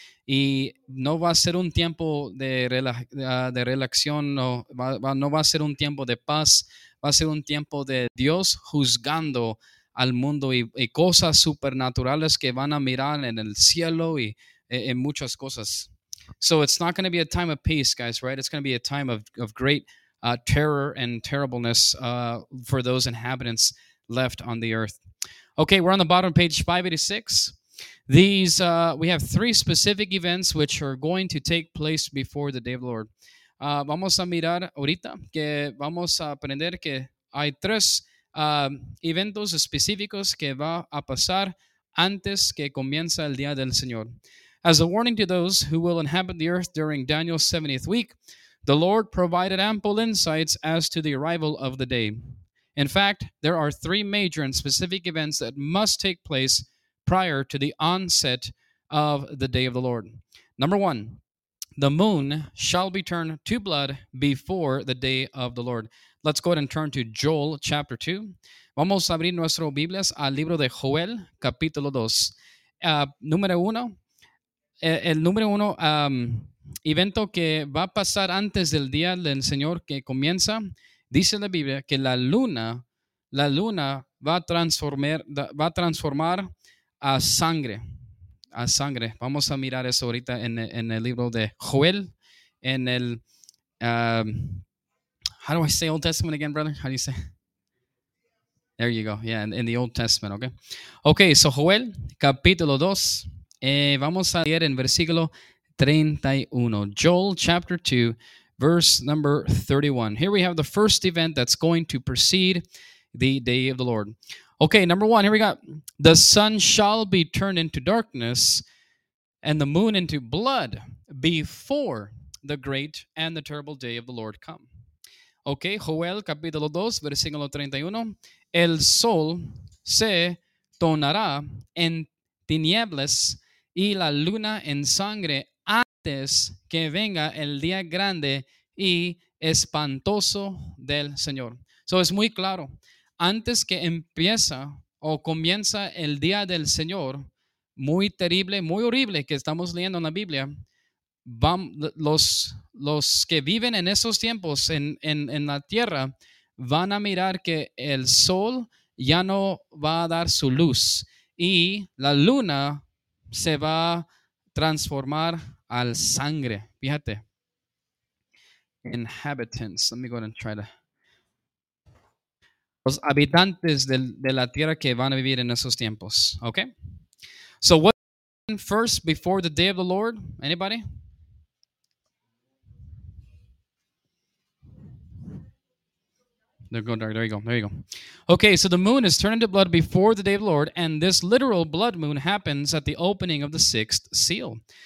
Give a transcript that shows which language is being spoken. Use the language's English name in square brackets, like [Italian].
[Spanish] Y no va a ser un tiempo de relación, no va a ser un tiempo de paz, va a ser un tiempo de Dios juzgando al mundo y cosas supernaturales que van a mirar en el cielo y en muchas cosas. [English] So it's not going to be a time of peace, guys, right? It's going to be a time of great terror and terribleness for those inhabitants left on the earth. Okay, we're on the bottom of page 586. These, we have three specific events which are going to take place before the day of the Lord. [Spanish] Vamos a mirar ahorita que vamos a aprender que hay tres eventos específicos que va a pasar antes que comienza el Día del Señor. [English] As a warning to those who will inhabit the earth during Daniel's 70th week, The Lord provided ample insights as to the arrival of the day. In fact, there are three major and specific events that must take place prior to the onset of the day of the Lord. Number one, the moon shall be turned to blood before the day of the Lord. Let's go ahead and turn to Joel chapter 2. [Spanish] Vamos a abrir nuestras Biblias al libro de Joel, capítulo 2. Evento que va a pasar antes del día del Señor que comienza, dice la Biblia que la luna va a transformar a sangre. Vamos a mirar eso ahorita en el libro de Joel, en el [English] how do I say Old Testament again, brother? How do you say? There you go. Yeah, in the Old Testament, okay? Okay, so [Spanish] Joel capítulo 2, vamos a leer en versículo 31. [English] Joel chapter 2, verse number 31. Here we have the first event that's going to precede the day of the Lord. Okay, number one, here we got the sun shall be turned into darkness and the moon into blood before the great and the terrible day of the Lord come. [Spanish] Okay, Joel capítulo 2, versículo 31. El sol se tornará en tinieblas y la luna en sangre antes que venga el día grande y espantoso del Señor. So es muy claro. Antes que empieza o comienza el día del Señor, muy terrible, muy horrible que estamos leyendo en la Biblia, los que viven en esos tiempos en la tierra van a mirar que el sol ya no va a dar su luz y la luna se va a transformar al sangre. Fíjate. [English] Inhabitants. Let me go ahead and try to... [Spanish] Los habitantes de la tierra que van a vivir en esos tiempos. [English] Okay? So what happened first before the day of the Lord? Anybody? They're going dark. There you go. There you go. Okay, so the moon is turned into blood before the day of the Lord, and this literal blood moon happens at the opening of the sixth seal.